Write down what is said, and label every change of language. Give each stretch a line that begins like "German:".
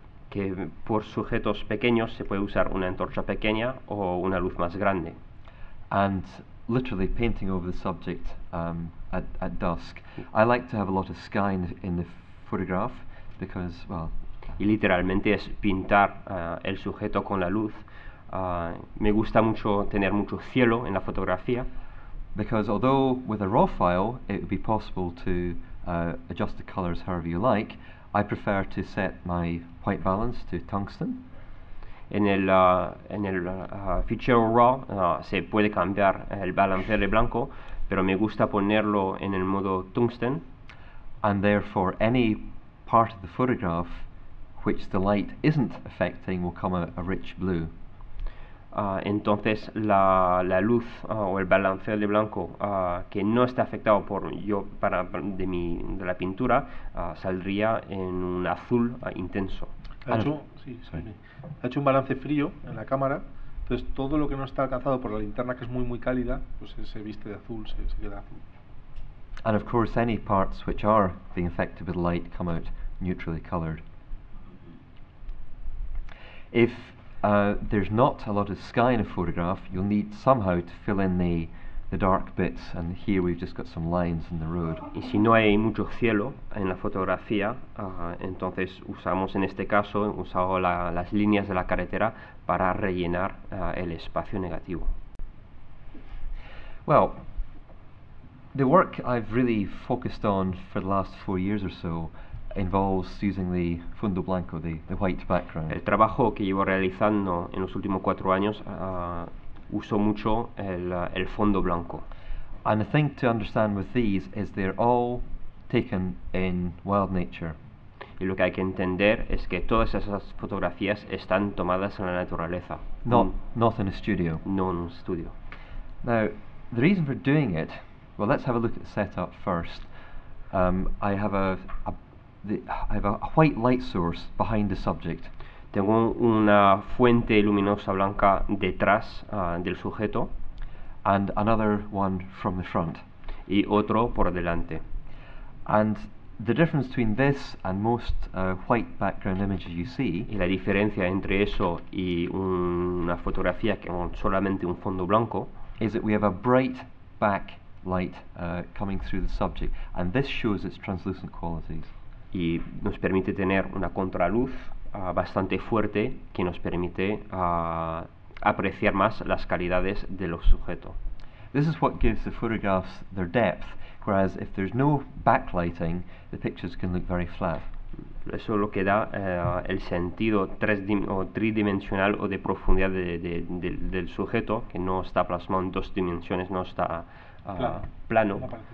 Spanish: Que por sujetos pequeños se puede usar una antorcha pequeña o una luz más grande.
English: And literally painting over the subject at dusk. I like to have a lot of sky in the photograph because, well.
Spanish: Y literalmente es pintar el sujeto con la luz. Me gusta mucho tener mucho cielo en la fotografía.
English: Because although with a raw file it would be possible to adjust the colors however you like, I prefer to set my white balance to tungsten.
Spanish: En el fichero raw se puede cambiar el balance de blanco, pero me gusta ponerlo en el modo tungsten.
English: And therefore any part of the photograph which the light isn't affecting will come a rich blue.
Spanish: Entonces la luz o el balanceo de blanco que no está afectado por yo para de mi de la pintura saldría en un azul intenso. Ha hecho un balance frío en la cámara, entonces todo lo que no está alcanzado por la linterna, que es muy muy cálida, pues se viste de azul, se queda azul.
English: And of course any parts which are being affected by the light come out neutrally colored. If there's not a lot of sky in a photograph, you'll need somehow to fill in the dark bits, and here we've just got some lines in the road.
Spanish: Y si no hay mucho cielo en la fotografía, entonces usamos en este caso las líneas de la carretera para rellenar el espacio negativo.
English: Well, the work I've really focused on for the last 4 years or so involves using the
Spanish: fondo blanco,
English: the white background.
Spanish: El trabajo que llevo realizando en los últimos 4 años uso mucho el fondo blanco.
English: And the thing to understand with these is they're all taken in wild nature.
Spanish: Y lo que hay que entender es que todas esas fotografías están tomadas en la naturaleza.
English: Not in a studio.
Spanish: No en un estudio.
English: Now, the reason for doing it, well, let's have a look at the setup first. I have a white light source behind the subject.
Spanish: Tengo una fuente luminosa blanca detrás del sujeto.
English: And another one from the front.
Spanish: Y otro por delante.
English: And the difference between this and most white background images you see.
Spanish: Y la diferencia entre eso y una fotografía que con solamente un fondo blanco.
English: Is that we have a bright back light coming through the subject, and this shows its translucent qualities.
Spanish: Y nos permite tener una contraluz bastante fuerte que nos permite apreciar más las calidades de los sujetos.
English: This is what gives the photographs their depth, whereas if there's no backlighting, the pictures can look very flat.
Spanish: Eso es lo que da el sentido tridimensional o de profundidad del sujeto, que no está plasmado en dos dimensiones, no está plano.